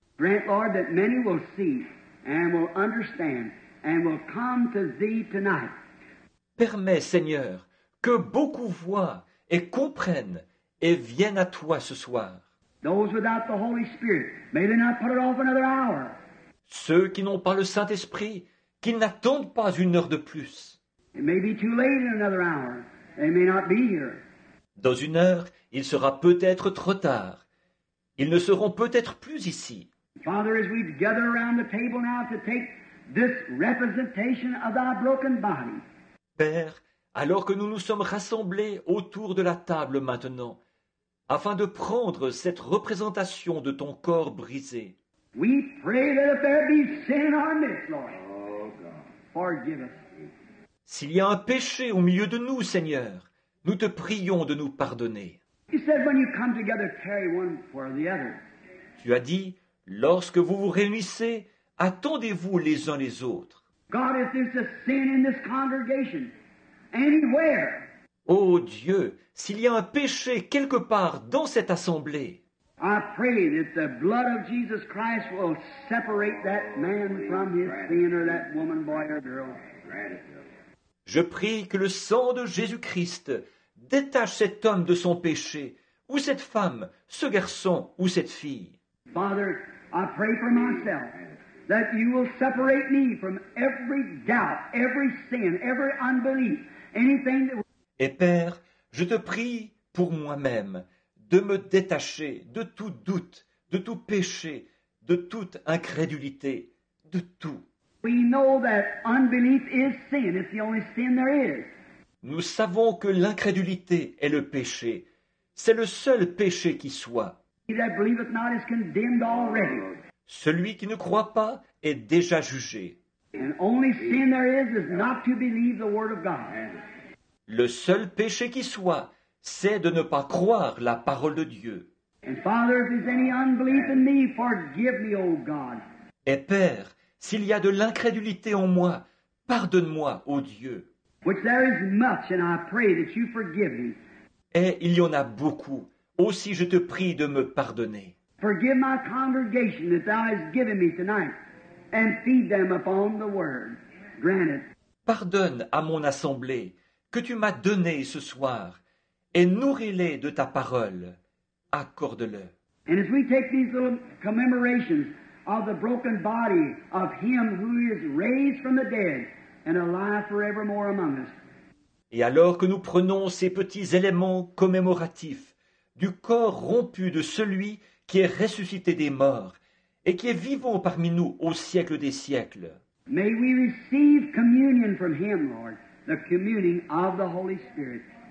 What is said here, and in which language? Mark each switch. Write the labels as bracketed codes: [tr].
[en] Grant, Lord, that many will see and will understand and will come to Thee tonight. [fr] Permets, Seigneur, que beaucoup voient et comprennent et viennent à Toi ce soir. [en] Those without the Holy Spirit, may they not put it off another hour. [fr] Ceux qui n'ont pas le Saint-Esprit, qu'ils n'attendent pas une heure de plus. [en] It may be too late in another hour. They may not be here. [fr] Dans une heure, il sera peut-être trop tard. Ils ne seront peut-être plus ici. [en] Father, as we gather around the table now to take this representation of Thy broken body. [fr] Père, alors que nous nous sommes rassemblés autour de la table maintenant, afin de prendre cette représentation de Ton corps brisé, [en] we pray that if there be sin in our midst, Lord, oh God, forgive us. [fr] S'il y a un péché au milieu de nous, Seigneur, nous te prions de nous pardonner. [en] You said when you come together, carry one for the other. [fr] Tu as dit, lorsque vous vous réunissez, attendez-vous les uns les autres. [en] God, if there's a sin in this congregation, anywhere. [fr] Oh Dieu, s'il y a un péché quelque part dans cette assemblée, [en] I pray that the blood of Jesus Christ will separate that man from his sin or that woman, boy or girl. [fr] Je prie que le sang de Jésus-Christ détache cet homme de son péché, ou cette femme, ce garçon, ou cette fille. [en] Father, I pray for myself that you will separate me from every doubt, every sin, every unbelief, anything that... [fr] Et Père, je te prie pour moi-même de me détacher de tout doute, de tout péché, de toute incrédulité, de tout. [en] We know that unbelief is sin. It's the only sin there is. [fr] Nous savons que l'incrédulité est le péché. C'est le seul péché qui soit. [en] He that believeth not is condemned already. [fr] Celui qui ne croit pas est déjà jugé. [en] And only sin there is not to believe the word of God. [fr] Le seul péché qui soit, c'est de ne pas croire la parole de Dieu. [en] And Father, if there's any unbelief in me, forgive me, oh God. [fr] Et Père, s'il y a de l'incrédulité en moi, pardonne-moi, ô Dieu. [en] Which there is much, and I pray that you forgive me. [fr] Et il y en a beaucoup. Aussi, je te prie de me pardonner. [en] Forgive my congregation that thou hast given me tonight, and feed them upon the word. Grant it. [fr] Pardonne à mon assemblée que tu m'as donné ce soir, et nourris-les de ta parole. Accorde-le. [en] And as we take these little commemorations of the broken body of him who is raised from the dead and alive forevermore among us. [fr] Et alors que nous prenons ces petits éléments commémoratifs du corps rompu de celui qui est ressuscité des morts et qui est vivant parmi nous au siècle des siècles. [en] May we receive communion from him, Lord, the communion of the Holy Spirit.